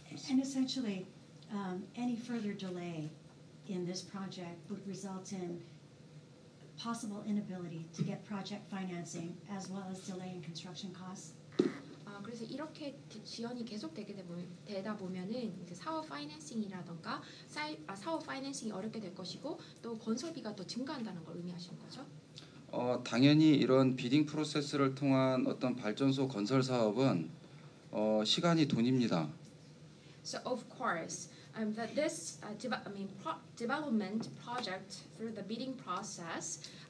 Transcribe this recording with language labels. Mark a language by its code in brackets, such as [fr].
[en] And essentially, any further delay in this project would result in possible inability to get project financing as well as delay in construction costs. [ko] 그래서 이렇게 지연이 계속되게 되다 보면은 이제 사업 파이낸싱이라든가 사업 파이낸싱이 어렵게 될 것이고 또 건설비가 더 증가한다는 걸 의미하시는 거죠? 당연히 이런 비딩 프로세스를 통한 어떤 발전소 건설 사업은 시간이 돈입니다. [en] So of course, that this development project through the bidding process.